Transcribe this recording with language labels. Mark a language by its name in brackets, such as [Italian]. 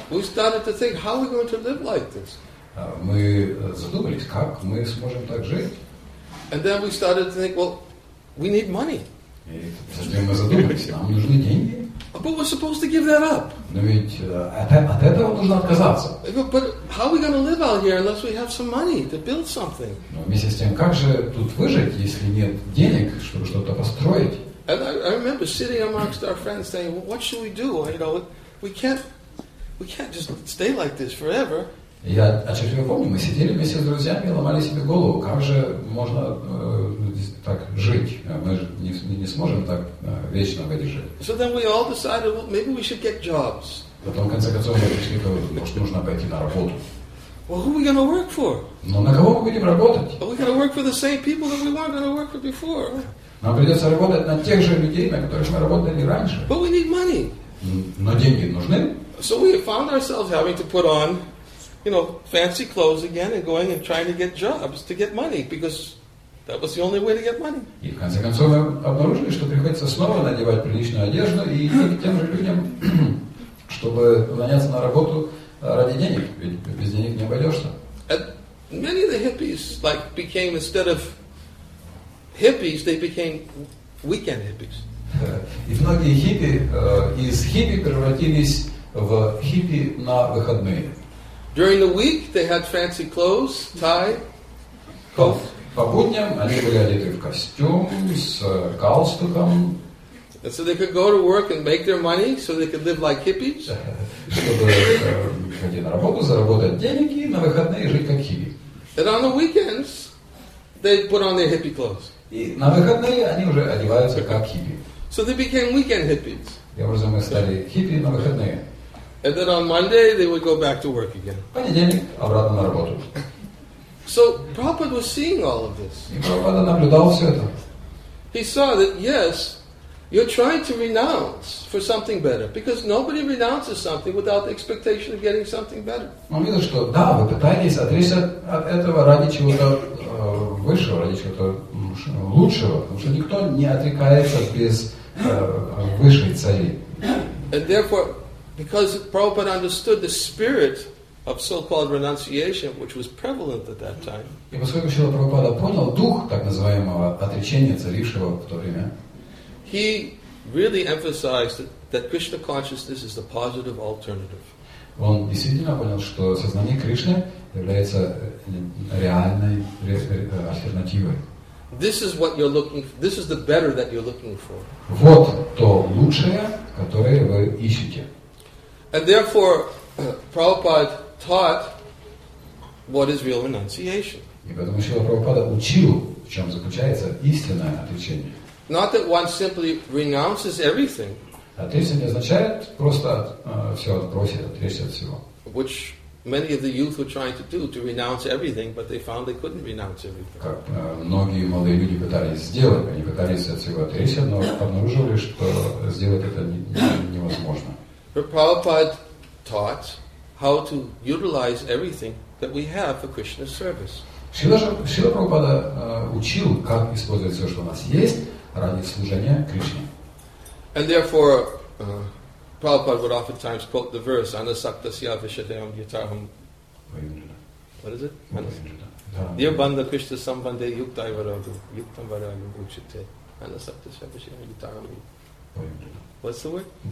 [English] We started to think, how are we going to live like this? [Russian] Мы задумались, как мы сможем так жить? [English] And then we started to think, well, we need money. [Russian] И затем мы задумались, нам нужны деньги. [English] But we're supposed to give that up. [Russian] Но ведь от этого нужно отказаться. [English] But how are we going to live out here unless we have some money to build something? [Russian] Но вместе с тем, как же тут выжить, если нет денег, чтобы что-то построить? [English] And I remember sitting amongst our friends saying, well, what should we do? You know, we can't just stay like this forever. [Russian] Я отчетливо помню, мы сидели вместе с друзьями и ломали себе голову, как же можно так жить? Мы же не сможем так вечно выдержать. [English] So then we all decided, well, maybe we should get jobs. [Russian] Потом, в конце концов, мы пришли, может, нужно пойти на работу. [English] Well, who are we going to work for? [Russian] Но на кого мы будем работать? [English] Are we going to work for the same people that we weren't going to work for before? [Russian] Нам придется работать над тех же людей, на которых мы работали раньше. [English] But we need money. [Russian] Но деньги нужны. [English] So we found ourselves having to put on, you know, fancy clothes again and going and trying to get jobs to get money, because that was the only way to get money. [Russian] И в конце концов мы обнаружили, что приходится снова надевать приличную одежду и идти к тем же людям, чтобы наняться на работу ради денег, ведь без денег не обойдешься. [English] And many of the hippies like became, instead of hippies, they became weekend hippies. [Russian] И многие хиппи из хиппи превратились в хиппи на выходные. [English] During the week they had fancy clothes, tie, coat. [Russian] По будням они были одеты в костюм с галстуком. [English] And so they could go to work and make their money, so they could live like hippies. [Russian] Чтобы ходить на работу, заработать денег и на выходные жить как хиппи. [English] And on the weekends they put on their hippie clothes. [Russian] И на выходные они уже одеваются как хиппи. [English] So they became weekend hippies. [Russian] Я уже мы стали хиппи на выходные. [English] And then on Monday they would go back to work again. [Russian] Понедельник обратно на работу. [English] So Prabhupada was seeing all of this. [Russian] И Прабхупада наблюдал все это. [English] He saw that yes, you're trying to renounce for something better, because nobody renounces something without the expectation of getting something better. [Russian] Он видел, что да, вы пытаетесь отречься от этого ради чего-то высшего, ради чего-то лучшего, потому что никто не отрекается без высшей цели. [English] And therefore, because Prabhupada understood the spirit of so-called renunciation, which was prevalent at that time. [Russian] И поскольку Шрила Прабхупада понял дух так называемого отречения, царившего в то время, [English] he really emphasized that Krishna consciousness is the positive alternative. [Russian] Он действительно понял, что сознание Кришны является реальной альтернативой. [English] This is what you're looking for. This is the better that you're looking for. [Russian] Вот то лучшее, которое вы ищете. [English] And therefore, Prabhupada taught what is real renunciation. [Russian] И поэтому Шрила Прабхупада учил, в чем заключается истинное отречение. [English] Not that one simply renounces everything. [Russian] Отречение не означает просто все отбросить, отречься от всего. [English] Which many of the youth were trying to do, to renounce everything, but they found they couldn't renounce everything. [Russian] Как многие молодые люди пытались сделать, они пытались от всего отречься, но обнаружили, что сделать это невозможно. [English] But Prabhupada taught how to utilize everything that we have for Krishna's service. [Russian] Шрила Прабхупада учил, как использовать все, что у нас есть, ради служения Кришне. [English] And therefore, Prabhupada would oftentimes quote the verse, [Sanskrit] Anasaktasya Vishadayam Yataham. [English] What is it? Dear Bandha Krishna Sambande Yuktai Varadu, Yuktam Varadu Uchite, Anasaktasya Vishadayam Yataham. What's the word?